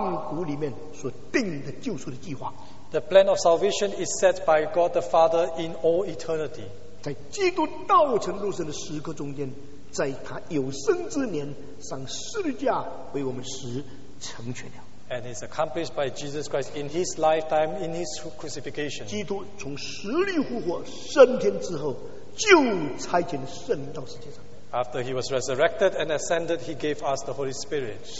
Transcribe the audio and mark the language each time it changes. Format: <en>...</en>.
<zh>圣父预备救赎，圣子成全救赎，圣灵施行救赎，父在永世中间万古里面所定的救赎的计划。</zh> <en>The plan of salvation is set by God the Father in all eternity.</en> <zh>在基督道成肉身的时刻中间，在他有生之年上十字架为我们死成全了。</zh> <en>And it's accomplished by Jesus Christ in his lifetime, in his crucifixion.</en> <zh>基督从死里复活升天之后，就差遣圣灵到世界上。</zh> <en>After he was resurrected and ascended, he gave us the Holy Spirit.</en>